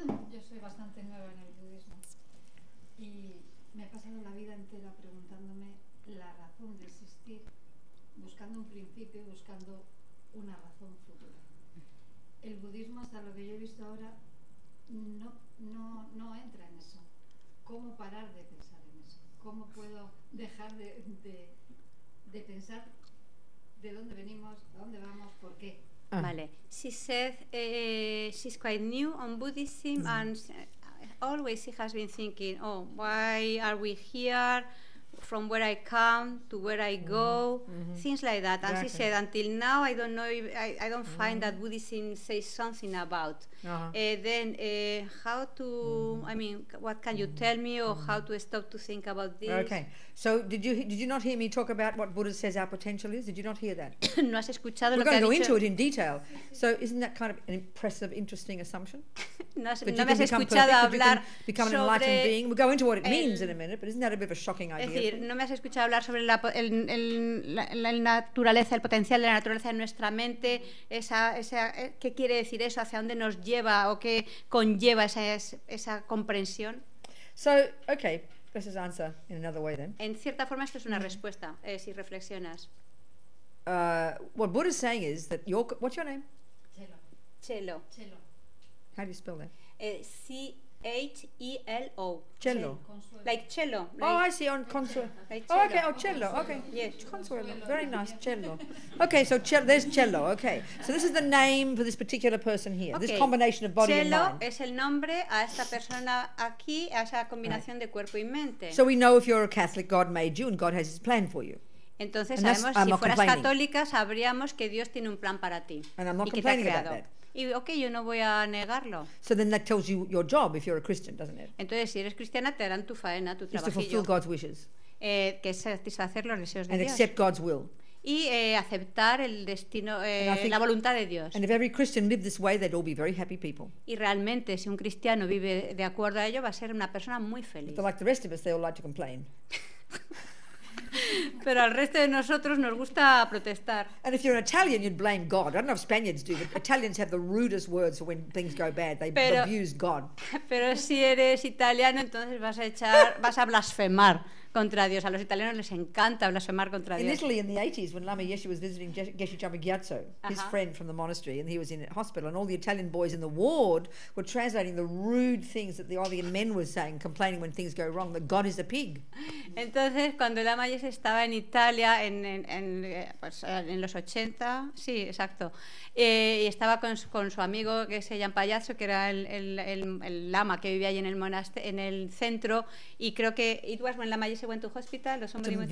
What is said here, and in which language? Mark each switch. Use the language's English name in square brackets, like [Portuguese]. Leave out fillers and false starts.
[Spanish] Yo soy bastante nueva en el budismo y me he pasado la vida entera preguntándome la razón de existir, buscando un principio, buscando una razón futura. El budismo, hasta lo que yo he visto ahora, no entra en eso. ¿Cómo parar de pensar en eso? ¿Cómo puedo dejar de pensar de dónde venimos, a dónde vamos, por qué? Vale. [English] She said she's quite new on Buddhism and always she has been thinking, oh, why are we here? From where I come to where I go, things like that. And she said, until now, I don't know. I don't find that Buddhism says something about. What can you tell me, or how to stop to think about this? Okay. So did you not hear me talk about what Buddha says our potential is? Did you not hear that? [Spanish] No has escuchado. [English] We're going [Spanish] que [English] to go [Spanish] dicho. [English] Into it in detail. So isn't that kind of an impressive, interesting assumption? [Spanish] No, has, no me has escuchado [English] perfect, [Spanish] hablar [English] you can become an enlightened being. We'll go into what it means in a minute. But isn't that a bit of a shocking idea? [Spanish] Es decir, no me has escuchado hablar sobre la naturaleza, el potencial de la naturaleza en nuestra mente, ¿qué quiere decir eso? ¿Hacia dónde nos lleva o qué conlleva esa comprensión? [English] So, okay, this is answer in another way then. [Spanish] En cierta forma, esto es una respuesta, si reflexionas. [English] What Buddha is saying is that what's your name? Chelo. Chelo. Chelo. How do you spell that? Chelo. Chelo. Like cello. Oh, I see. On consuelo. Like oh, okay. Oh, cello. Okay. Yes. Consuelo. Very nice. Cello. Okay. So there's cello. Okay. So this is the name for this particular person here. Okay. This combination of body cello and mind. [Spanish] Cello es el nombre a esta persona aquí, a esa combinación de cuerpo y mente. [English] So we know if you're a Catholic, God made you, and God has His plan for you. [Spanish] Entonces sabemos si fueras católica sabríamos que Dios tiene un plan para ti [English] and I'm not [Spanish] y que te ha creado. Y okay, yo no voy a negarlo. [English] So then that tells you your job if you're a Christian, doesn't it? [Spanish] Entonces, si eres cristiana, te harán tu faena, tu trabajillo. [English] Is to fulfill God's wishes. [Spanish] Que es satisfacer los deseos de [English] and [Spanish] Dios. [English] And accept God's will. [Spanish] Y aceptar el destino, la voluntad de Dios. [English] And if every Christian lived this way, they'd all be very happy people. [Spanish] Y realmente, si un cristiano vive de acuerdo a ello, va a ser una persona muy feliz. [English] But like the rest of us, they all like to complain. [Spanish] Pero al resto de nosotros nos gusta protestar. [English] And if you're an Italian, you'd blame God. I don't know if Spaniards do, but Italians have the rudest words when things go bad. They abuse God. [Spanish] Pero si eres italiano, entonces vas a blasfemar contra Dios. A los italianos les encanta blasfemar contra Dios. [English] In Italy, in the 80s, when Lama Yeshe was visiting Geshe Jama Gyatso, his friend from the monastery, and he was in a hospital, and all the Italian boys in the ward were translating the rude things that the Italian men were saying, complaining when things go wrong, that God is a pig. [Spanish] Entonces, cuando Lama Yeshe estaba en Italia, en los 80, sí, exacto, y estaba con su amigo, que se llama Payaso, que era el lama que vivía allí en el centro, y creo que [English] it was when Lama Yeshe went to hospital, [Spanish] los hombres